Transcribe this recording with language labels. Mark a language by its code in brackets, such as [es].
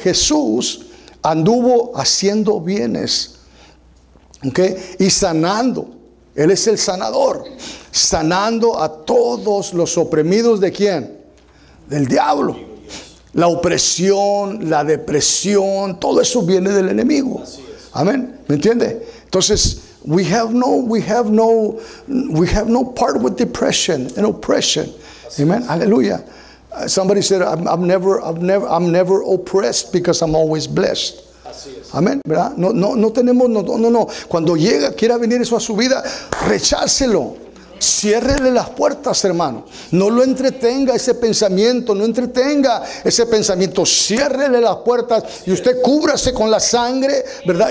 [es] Jesús anduvo haciendo bienes. ¿Ok? Y sanando. Él es el sanador. Sanando a todos los oprimidos, ¿de quién? Del diablo. La opresión, la depresión, todo eso viene del enemigo. Amén. ¿Me entiende? [en] Entonces, we have no part with depression and oppression. Amén. Aleluya. Somebody said, I'm never oppressed because I'm always blessed. [es] Amén, ¿verdad? No, no, no tenemos, no, no, no. Cuando llega, quiera venir eso a su vida, recházelo. Ciérrele las puertas, hermano. No lo entretenga ese pensamiento. No entretenga ese pensamiento. Ciérrele las puertas y usted cúbrase con la sangre, ¿verdad?